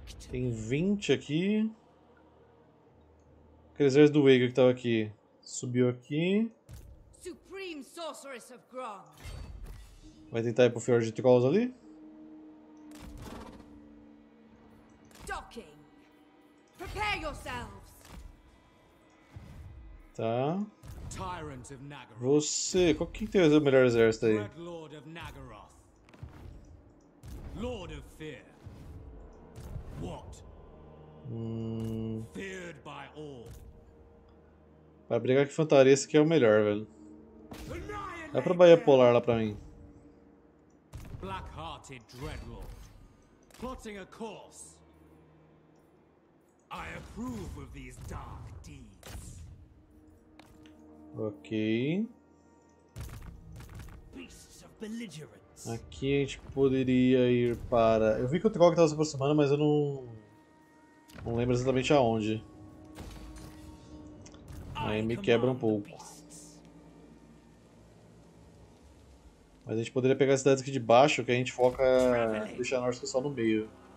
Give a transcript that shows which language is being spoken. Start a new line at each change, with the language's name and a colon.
Portuguese: Tem 20 aqui. Aquele exército do Wager que tava aqui. Subiu aqui.
English: Supreme Sorceress of Grand.
Portuguese: Vai tentar ir pro Fjord de Trolls ali.
English: Docking. Prepare yourselves. Tá. Tyrant of Nagaroth.
Portuguese: Você, qual que tem o melhor exército aí?
English: Lord of Nagaroth. Lord of Fear. What? Feared by all.
Portuguese: Vai brigar com infantaria, esse aqui é o melhor, velho. Dá pra Bahia Polar lá pra mim.
English: Black-hearted Dreadlord. Plotting a course. I approve of these dark deeds. Ok. Beasts of belligerence.
Portuguese: Aqui a gente poderia ir para... Eu vi que o Trog estava se aproximando, mas eu não lembro exatamente aonde. Aí me quebra um pouco. Mas a gente poderia pegar as cidades aqui de baixo, que a gente foca... Deixa a Norsk só no meio.